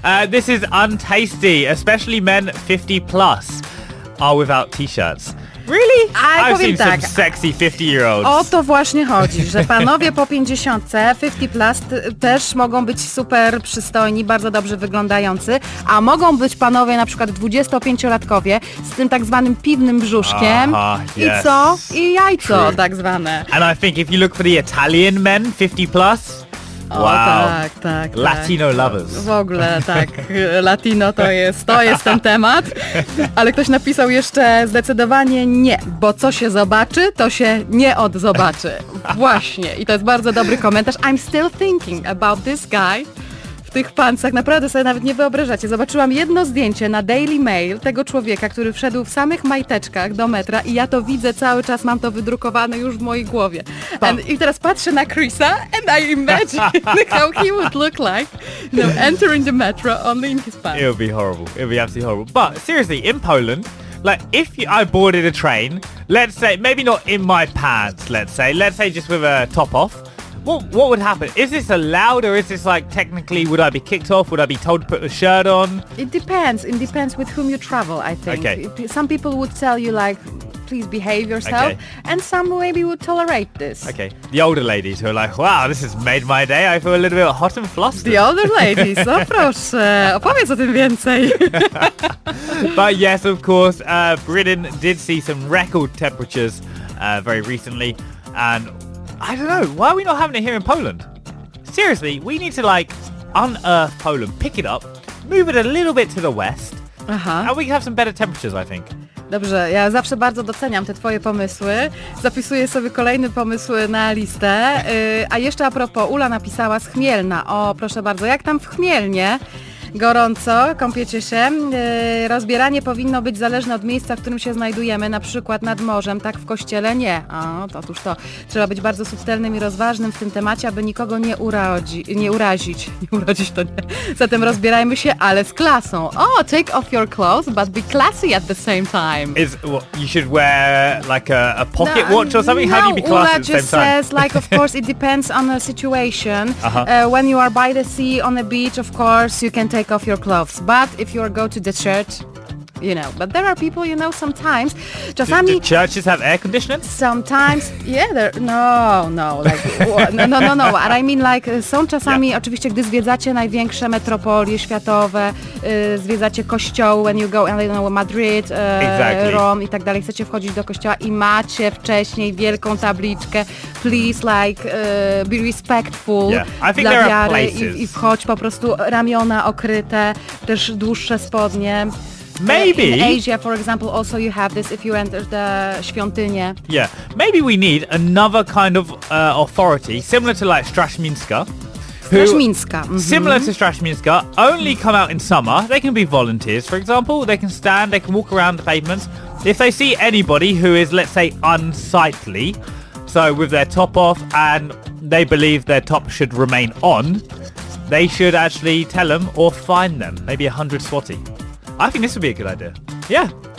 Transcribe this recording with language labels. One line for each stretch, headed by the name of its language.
English: This is untasty, especially men 50 plus are without t-shirts. Really? I've seen
Polish: tak.
English: some sexy 50-year-olds.
Polish: O to właśnie chodzi, że panowie po 50-ce, 50-plus, też mogą być super przystojni, bardzo dobrze wyglądający, a mogą być panowie na przykład 25-latkowie z tym tak zwanym piwnym brzuszkiem
English: yes.
Polish: i co? I jajco True. Tak zwane.
English: And I think if you look for the Italian men 50-plus... Wow.
Polish: O, tak, tak.
English: Latino
Polish: tak.
English: lovers.
Polish: W ogóle tak, Latino to jest ten temat. Ale ktoś napisał jeszcze zdecydowanie nie, bo co się zobaczy, to się nie odzobaczy. Właśnie. I to jest bardzo dobry komentarz.
English: I'm still thinking about this guy.
Polish: W tych pancach naprawdę sobie nawet nie wyobrażacie. Zobaczyłam jedno zdjęcie na Daily Mail tego człowieka, który wszedł w samych majteczkach do metra i ja to widzę cały czas, mam to wydrukowane już w mojej głowie. I teraz patrzę na Chrisa
English: and I imagine how he would look like, you know, entering the metro only in his pants. It would be horrible. It would be absolutely horrible. But seriously, in Poland, like if I boarded a train, let's say, maybe not in my pants, let's say just with a top off. What would happen? Is this allowed or is this like technically would I be kicked off? Would I be told to put a shirt on? It depends with whom you travel, I think. Okay. Some people would tell you like, please behave yourself. Okay. And some maybe would tolerate this. Okay. The older ladies who are like, wow, this has made my day. I feel a little bit hot and flustered. The older ladies.
Polish: No proszę, opowiedz o tym więcej.
English: But yes, of course, Britain did see some record temperatures very recently. And I don't know, why are we not having it here in Poland? Seriously, we need to like unearth Poland, pick it up, move it a little bit to the west, and we can have some better temperatures, I think.
Polish: Dobrze, ja zawsze bardzo doceniam te twoje pomysły. Zapisuję sobie kolejny pomysł na listę. A jeszcze a propos, Ula napisała z Chmielna. O, proszę bardzo, jak tam w Chmielnie? Gorąco, kąpiecie się. Rozbieranie powinno być zależne od miejsca, w którym się znajdujemy, na przykład nad morzem, tak w kościele nie. O, otóż to. Trzeba być bardzo subtelnym i rozważnym w tym temacie, aby nikogo nie urazić. Nie urazić to nie. Zatem rozbierajmy się, ale z klasą.
English: O, take off your clothes, but be classy at the same time. Is well, you should wear like a pocket watch or something? How do you be classy at the same time? Ula just says, like, of course, it depends on the situation. When you are by the sea, on the beach, of course, you can take off your clothes, but if you go to the church, you know, but there are people, you know, sometimes,
Polish: czasami...
English: Do churches have air conditioning? Sometimes, yeah, no, what I mean, like,
Polish: są czasami,
English: yeah.
Polish: Oczywiście, gdy zwiedzacie największe metropolie światowe, zwiedzacie kościoły,
English: when you go, you know, Madrid, exactly.
Polish: Rome i tak dalej, chcecie wchodzić do kościoła i macie wcześniej wielką tabliczkę,
English: please, like, be respectful yeah. I think
Polish: dla
English: there
Polish: wiary
English: are places.
Polish: I wchodź po prostu ramiona okryte, też dłuższe spodnie.
English: Maybe in Asia, for example, also you have this if you enter the świątynię. Yeah, maybe we need another kind of authority, similar to like Strażmińska. Strażmińska. Mm-hmm. Similar to Strażmińska, only come out in summer. They can be volunteers, for example. They can stand, they can walk around the pavements. If they see anybody who is, let's say, unsightly, so with their top off and they believe their top should remain on, they should actually tell them or fine them, maybe 100 zloty. I think this would be a good idea. Yeah.